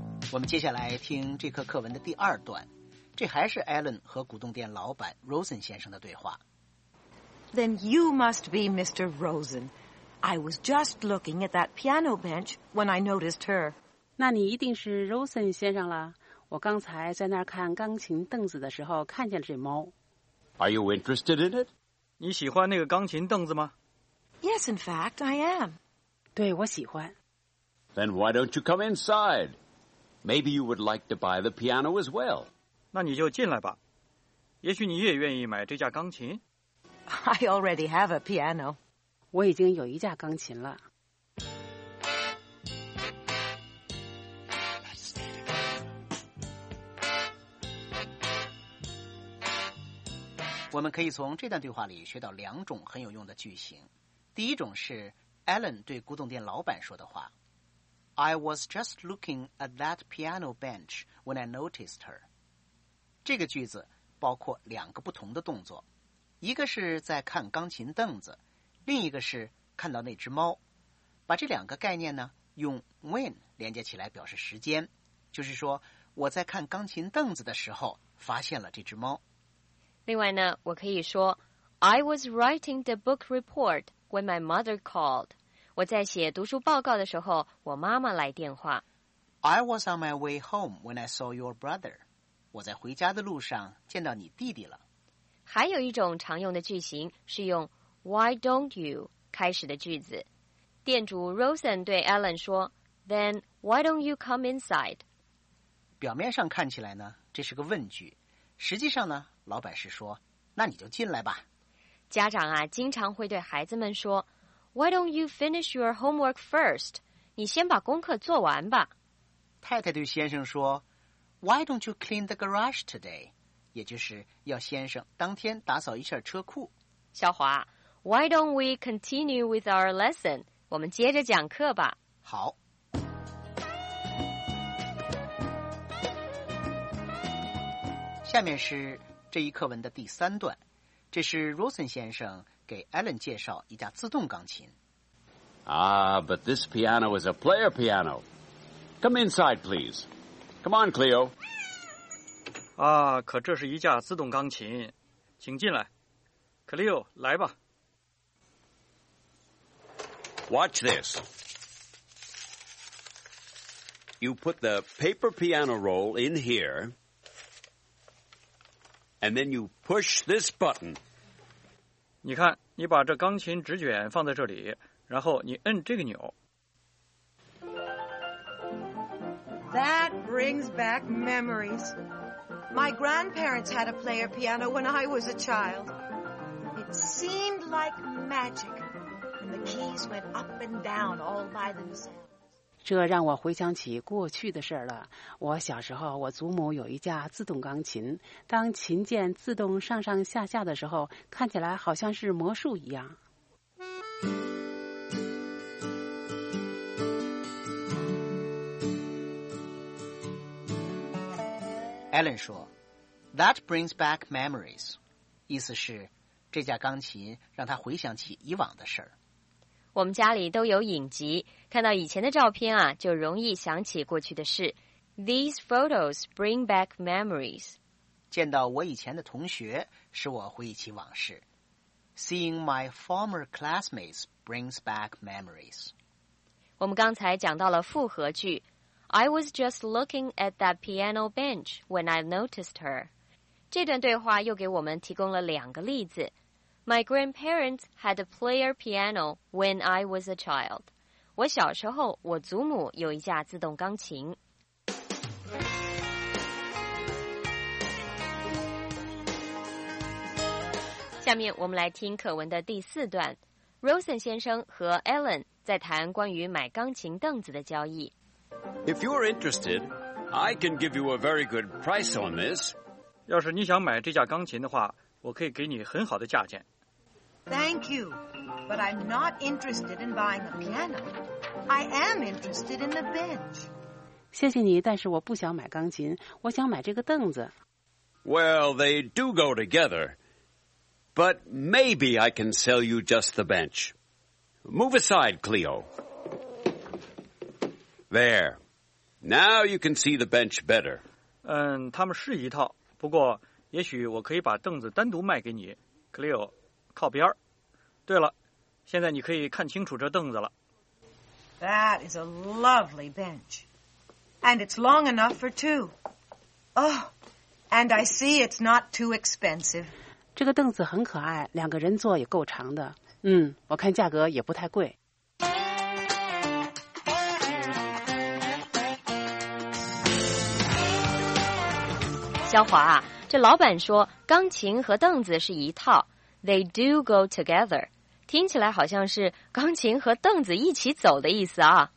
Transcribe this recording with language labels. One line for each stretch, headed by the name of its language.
Chinese: 我们接下来听这课课文的第二段。这还是艾伦和古董店老板 Rosen 先生的对话。
English: Then you must be Mr. Rosen. I was just looking at that piano bench when I noticed her.
Chinese: 那你一定是 Rosen 先生了。我刚才在那儿看钢琴凳子的时候看见了这猫。
English: Are you interested in it?
Chinese: 你喜欢那个钢琴凳子吗？
English: Yes, in fact, I am.
Chinese: 对，我喜欢。
English: Then why don't you come inside? Maybe you would like to buy the piano as well.
Chinese: 那你就进来吧。也许你也愿意买这架钢琴。
English: I already have a piano.
Chinese: 我已经有一架钢琴了。我们可以从这段对话里学到两种很有用的句型。第一种是 Alan 对古董店老板说的话。
English: I was just looking at that piano bench when I noticed her.
Chinese: 这个句子包括两个不同的动作。一个是在看钢琴凳子，另一个是看到那只猫。把这两个概念呢，用 when 连接起来表示时间，就是说我在看钢琴凳子的时候发现了这只猫。另外呢，我可以说
English: I was writing the book report when my mother called.
Chinese: 我在写读书报告的时候，我妈妈来电话。
English: I was on my way home when I saw your brother.
Chinese: 我在回家的路上见到你弟弟了。还有一种常用的句型是用
English: Why don't you
Chinese: 开始的句子。店主 Rosen 对 Alan 说
English: Then why don't you come inside?
Chinese: 表面上看起来呢，这是个问句。实际上呢，老板是说那你就进来吧。家长啊，经常会对孩子们说
English: Why don't you finish your homework first?
Chinese: 你先把功课做完吧。太太对先生说
English: Why don't you clean the garage today?
Chinese: 也就是要先生当天打扫一下车库。
English: 小华 ，Why don't we continue with our lesson?
Chinese: 我们接着讲课吧。好。下面是这一课文的第三段，这是 Rosen 先生给 Alan 介绍一架自动钢琴。
English: Ah, but this piano is a player piano. Come inside, please. Come on, Cleo.
Chinese: 啊，可这是一架自动钢琴，请进来 ，Cleo， 来吧。
English: Watch this. You put the paper piano roll in here, and then you push this button.
Chinese: 你看，你把这钢琴纸卷放在这里，然后你摁这个钮。
English: That brings back memories. My grandparents had a player piano when I was a child. It seemed like magic, and the keys went up and down all by themselves.
Chinese: 这让我回想起过去的事了。我小时候，我祖母有一架自动钢琴，当琴键自动上上下下的时候，看起来好像是魔术一样。 Alan 说
English: That brings back memories
Chinese: 意思是这架钢琴让他回想起以往的事儿。我们家里都有影集，看到以前的照片啊，就容易想起过去的事。
English: These photos bring back memories
Chinese: 见到我以前的同学使我回忆起往事。
English: Seeing my former classmates brings back memories
Chinese: 我们刚才讲到了复合句
English: I was just looking at that piano bench when I noticed her.
Chinese: 这段对话又给我们提供了两个例子。
English: My grandparents had a player piano when I was a child.
Chinese: 我小时候，我祖母有一架自动钢琴。下面我们来听课文的第四段。Rosen 先生和 Alan 在谈关于买钢琴凳子的交易。
English: If you're interested, I can give you a very good price on this.
Chinese: 要是你想买这架钢琴的话，我可以给你很好的价钱。
English: Thank you, but I'm not interested in buying a piano. I am interested in the bench.
Chinese: 谢谢你，但是我不想买钢琴，我想买这个凳子。
English: Well, they do go together, but maybe I can sell you just the bench. Move aside, Cleo. There.Now you can see the bench better.
Chinese: 嗯，他们是一套，不过也许我可以把凳子单独卖给你。 Cleo， 靠边。对了，现在你可以看清楚这凳子了。
English: That is a lovely bench. And it's long enough for two. Oh, and I see it's not too expensive.
Chinese: 这个凳子很可爱，两个人坐也够长的。嗯，我看价格也不太贵。肖华啊，这老板说钢琴和凳子是一套，
English: They do go together，
Chinese: 听起来好像是钢琴和凳子一起走的意思啊。